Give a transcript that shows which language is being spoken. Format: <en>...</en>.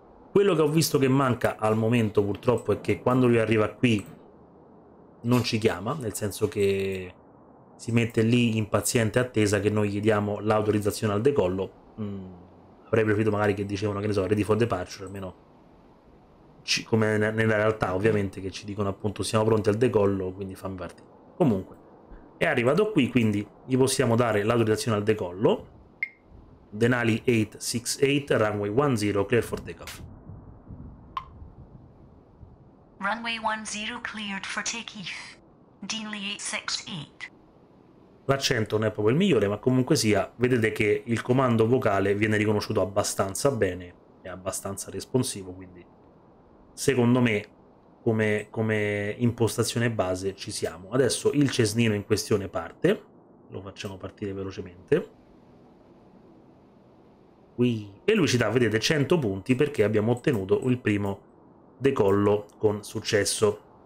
<it>Quello che ho visto che manca al momento, purtroppo, è che quando lui arriva qui non ci chiama, nel senso che si mette lì in paziente attesa che noi gli diamo l'autorizzazione al decollo. Avrei preferito magari che dicevano, che ne so,</it> <en>ready for departure,</en> <it>almeno come nella realtà, ovviamente, che ci dicono appunto siamo pronti al decollo, quindi fammi partire. Comunque è arrivato qui, quindi gli possiamo dare l'autorizzazione al decollo.</it> <en>Denali 868, runway 10, clear for takeoff. Runway 10 cleared for takeoff. Denali 868.</en> <it>L'accento non è proprio il migliore, ma comunque sia, vedete che il comando vocale viene riconosciuto abbastanza bene, è abbastanza responsivo, quindi secondo me come impostazione base ci siamo. Adesso il Cesnino in questione parte, lo facciamo partire velocemente, qui, e lui ci dà, vedete, 100 punti perché abbiamo ottenuto il primo decollo con successo.</it>